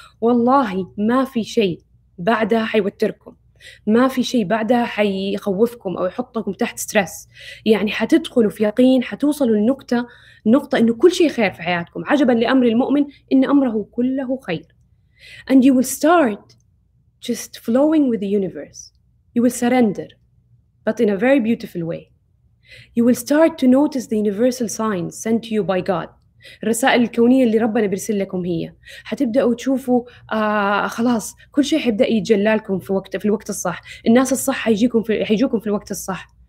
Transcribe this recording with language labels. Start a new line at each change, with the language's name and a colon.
Arabic: والله ما في شيء بعدها حيوتركم، ما في شيء بعدها حيخوفكم أو يحطكم تحت سترس. يعني حتدخلوا في يقين، حتوصلوا لنقطة، نقطة إنه كل شيء خير في حياتكم. عجبا لأمر المؤمن إن أمره كله خير.
English: And you will start just flowing with the universe. You will surrender, but in a very beautiful way. You will start to notice the universal signs sent to you by God.
Arabic: الرسائل الكونية اللي ربنا بيرسل لكم هي. حتبدأوا تشوفوا خلاص كل شيء حيبدأ يتجلى لكم في الوقت الصح. الناس الصح حيجوكم في الوقت الصح.